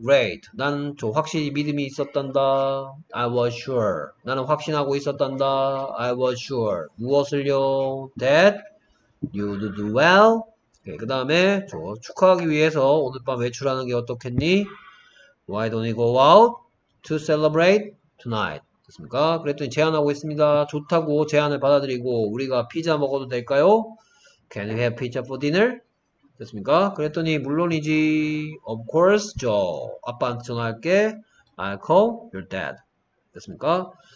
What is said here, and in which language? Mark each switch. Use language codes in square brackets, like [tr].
[en] Great. [ko] 난저 확실히 믿음이 있었단다. [en] I was sure. [ko] 나는 확신하고 있었단다. [en] I was sure. [ko] 무엇을요? [en] That you'd do well. 오케이. [ko] 그 다음에 저 축하하기 위해서 오늘 밤 외출하는 게 어떻겠니? [en] Why don't you go out to celebrate tonight? [ko] 됐습니까? 그랬더니 제안하고 있습니다. 좋다고 제안을 받아들이고 우리가 피자 먹어도 될까요? [en] Can we have pizza for dinner? [ko] 됐습니까? 그랬더니 물론이지. [en] Of course, [ko] 저 아빠한테 전화할게. [en] I'll call your dad. [ko] 됐습니까?